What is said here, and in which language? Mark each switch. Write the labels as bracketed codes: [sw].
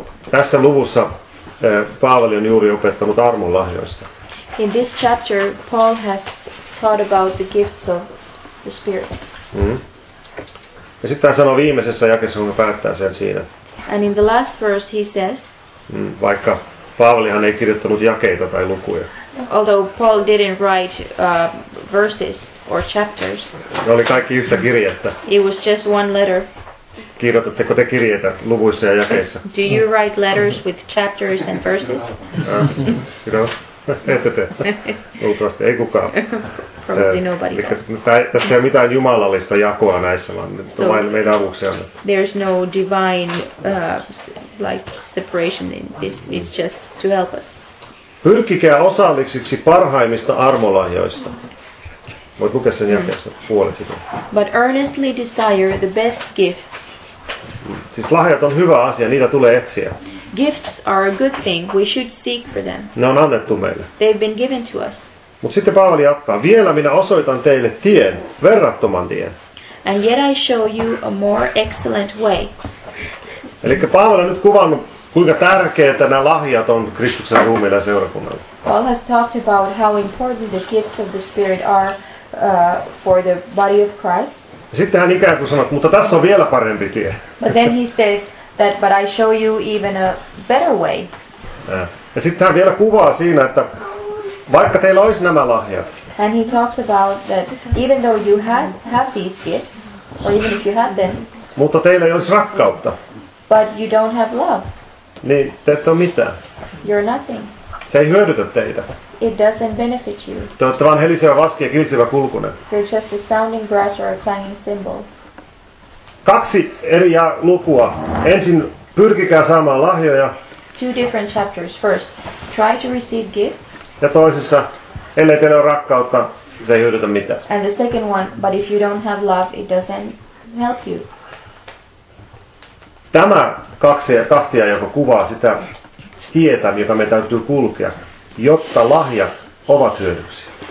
[fi] Tässä luvussa Paavali on juuri opettanut armon lahjoista. [en] In this chapter, Paul has taught about the gifts of the Spirit. [fi] Ja sitten hän sanoo viimeisessä jakessa, kun päättää sen siinä. [en] And in the last verse he says, [fi] vaikka Paavalihan ei kirjoittanut jakeita tai lukuja. [en] Although Paul didn't write verses or chapters. [fi] Ne oli kaikki yhtä kirjettä. [en] It was just one letter. [fi] Kirjoitatteko te kirjeitä luvuissa ja jakeissa? [en] Do you write letters with chapters and verses? [fi] No, ette te. Luultavasti ei kukaan. [en] Probably nobody. [fi] Tässä ei ole mitään jumalallista jakoa näissä, vaan nyt on vain meidän avuksi annettu. [en] There's no divine like separation in this. It's just to help us. [fi] Pyrkikää osalliseksi parhaimmista armolahjoista. Voit lukea sen jakeesta puolet sitä. [en] But earnestly desire the best gifts. [fi] Siis lahjat on hyvä asia, niitä tulee etsiä. [en] Gifts are a good thing, we should seek for them. [fi] Ne on annettu meille. [en] They've been given to us. [fi] Mut sitten Paavali jatkaa, vielä minä osoitan teille tien, verrattoman tien. [en] And yet I show you a more excellent way. [fi] Elikkä Paavali on nyt kuvannut, kuinka tärkeätä nämä lahjat on Kristuksen ruumiille ja seurakunnalle. [en] Paul has talked about how important the gifts of the Spirit are for the body of Christ. [fi] Sitten hän ikään kuin sanoo, mutta tässä on vielä parempi tie. [en] But then he says that, but I show you even a better way. [fi] Ja sitten hän vielä kuvaa siinä, että vaikka teillä olisi nämä lahjat. [en] And he talks about that even though you have these gifts, or even if you have them. [fi] Mutta teillä ei olisi rakkautta. [en] But you don't have love. [fi] Niin, te ette ole mitään. [en] You're nothing. [fi] Se ei hyödytä teitä. [en] It doesn't benefit you. [fi] Te olette vaan helisevä vaski ja kilisevä kulkunen. [en] You're just a sounding brass or a clanging cymbal. [fi] Kaksi eri lukua. Ensin pyrkikää saamaan lahjoja. [en] Two different chapters. First, try to receive gifts. [fi] Ja toisessa, ellei teillä ole rakkautta, se ei hyödytä mitään. [en] And the second one, but if you don't have love, it doesn't help you. [fi] Tämä kaksi ja tahtia, joka kuvaa sitä tietä, joka meidän täytyy kulkea, jotta lahjat ovat hyödyksiä.